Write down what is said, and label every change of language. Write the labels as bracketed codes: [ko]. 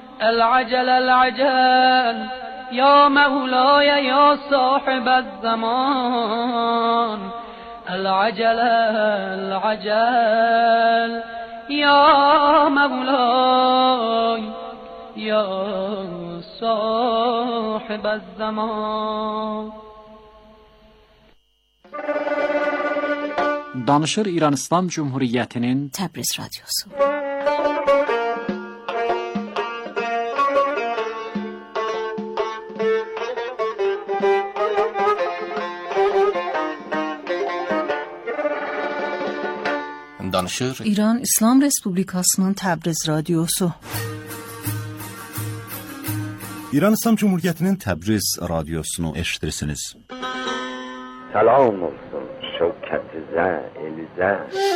[ar] العجل العجل يا مولاي يا صاحب الزمان. العجل العجل يا مولاي يا صاحب الزمان. [tr] Danışır İran İslam Cumhuriyeti'nin Tebriz Radyosu. [az] Danışır İran danışır. İran İslam Respublikasının Təbriz Radiosu. İran İslam Cumhuriyeti'nin Təbriz Radiosunu eşitirsiniz. [tr] Selam olsun şevketinize, elinize.